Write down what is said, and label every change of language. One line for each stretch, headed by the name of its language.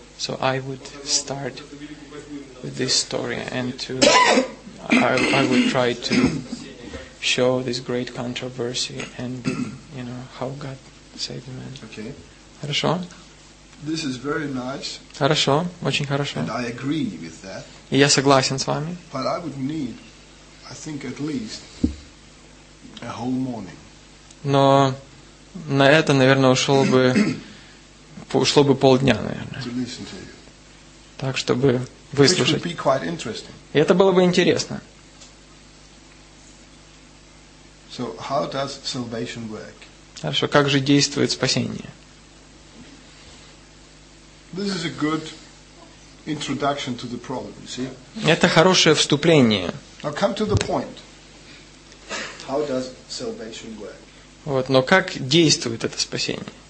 English: So I would start with this story and I would try to show this great controversy and, you know, how God saved man. Okay.
Russian: Хорошо?
English: This is very nice.
Russian: Хорошо, очень хорошо.
English: And I agree with that.
Russian: И я согласен с вами.
English: But I would need, I think, at least a whole morning.
Russian: Но на это, наверное, ушло бы полдня, наверное.
English: To listen to you.
Russian: Так, чтобы выслушать.
English: Which would be quite interesting.
Russian: И это было бы интересно.
English: So how does salvation work?
Russian: Хорошо, как же действует спасение?
English: This is a good introduction to the problem, you see?
Russian: Это хорошее вступление.
English: Now come to the point. How does salvation work?
Russian: Вот, но как действует это спасение?